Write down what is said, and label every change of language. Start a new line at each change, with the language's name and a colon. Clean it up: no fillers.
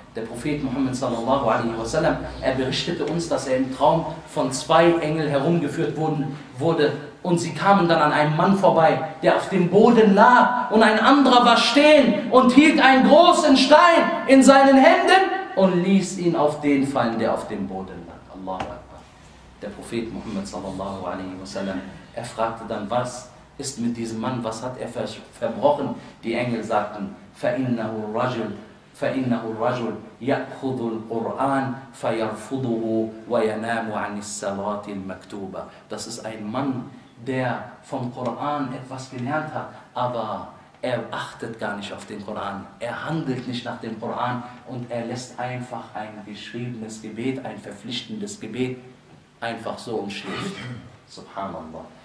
German: Der Prophet Muhammad sallallahu alaihi wasallam, er berichtete uns, dass er im Traum von 2 Engeln herumgeführt wurde und sie kamen dann an einem Mann vorbei, der auf dem Boden lag und ein anderer war stehen und hielt einen großen Stein in seinen Händen und ließ ihn auf den fallen, der auf dem Boden lag. Allahu Akbar. Der Prophet Muhammad sallallahu alaihi wasallam, er fragte dann, was ist mit diesem Mann, was hat er verbrochen? Die Engel sagten,
Arabic: فَإِنَّهُ الرَّجُلْ فَإِنَّهُ الرَّجُلْ يَأْخُذُ الْقُرْآنَ فَيَرْفُضُهُ وَيَنَامُ عَنِ السَّلَاةِ الْمَكْتُوبَةِ.
German: Das ist ein Mann, der vom Koran etwas gelernt hat, aber er achtet gar nicht auf den Koran. Er handelt nicht nach dem Koran und er lässt einfach ein geschriebenes Gebet, ein verpflichtendes Gebet, einfach so und schläft. Subhanallah.